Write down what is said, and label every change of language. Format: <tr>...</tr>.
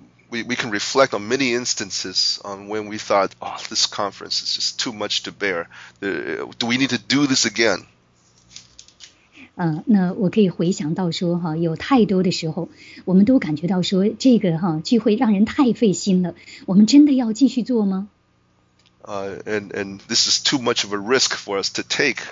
<en>We can reflect on many instances on when we thought, oh, this conference is just too much to bear. Do we need to do this again?</en> <zh>那我可以回想到说有太多的时候我们都感觉到说这个聚会让人太费心了，我们真的要继续做吗？</zh> <en>And this is too much of a risk for us to take.</en>